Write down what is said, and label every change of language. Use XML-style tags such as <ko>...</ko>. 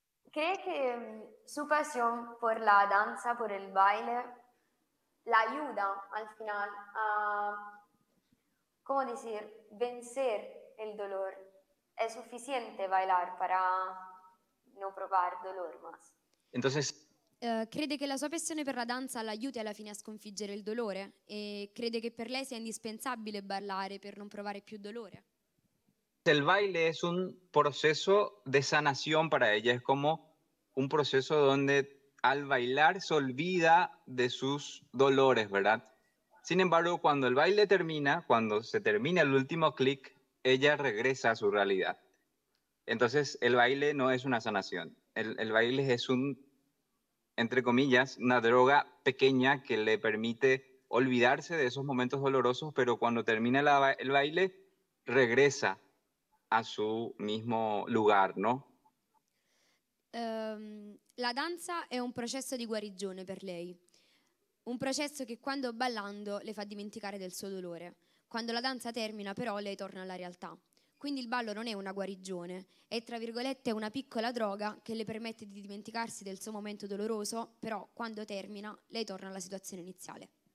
<es>¿Cree que su pasión por la danza, por el baile, la ayuda al final a, ¿cómo decir?, vencer el dolor? ¿Es suficiente bailar para no probar dolor más? Entonces...</es> <it>Crede che la sua passione per la danza l'aiuti alla fine a sconfiggere il dolore e crede che per lei sia indispensabile ballare per non provare più dolore?</it> <es>El baile es un proceso de sanación para ella, es como un proceso donde al bailar se olvida de sus dolores, ¿verdad? Sin embargo, cuando el baile termina, cuando se termina el último clic, ella regresa a su realidad. Entonces, el baile no es una sanación. El baile es un, entre comillas, una droga pequeña que le permite olvidarse de esos momentos dolorosos, pero cuando termina el baile, regresa a su mismo lugar, ¿no?</es> <it>La danza è un processo di guarigione per lei, un processo che quando ballando le fa dimenticare del suo dolore. Quando la danza termina però lei torna alla realtà. Quindi il ballo non è una guarigione, è tra virgolette una piccola droga che le permette di dimenticarsi del suo momento doloroso, però quando termina lei torna alla situazione iniziale.</it>